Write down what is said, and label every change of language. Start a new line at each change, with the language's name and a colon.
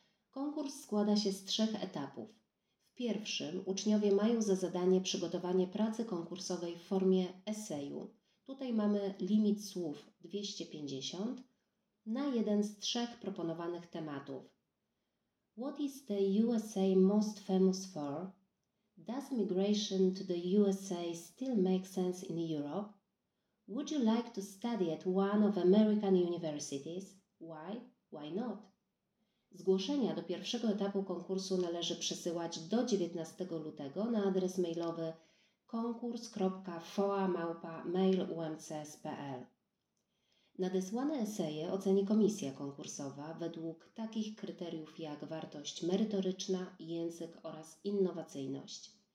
Polish: Konkurs składa się z trzech etapów. W pierwszym uczniowie mają za zadanie przygotowanie pracy konkursowej w formie eseju. Tutaj mamy limit słów 250. Na jeden z trzech proponowanych tematów.
English: What is the USA most famous for? Does migration to the USA still make sense in Europe? Would you like to study at one of American universities? Why? Why not?
Polish: Zgłoszenia do pierwszego etapu konkursu należy przesyłać do 19 lutego na adres mailowy konkurs.foa@mail.umcs.pl. Nadesłane eseje oceni komisja konkursowa według takich kryteriów jak wartość merytoryczna, język oraz innowacyjność.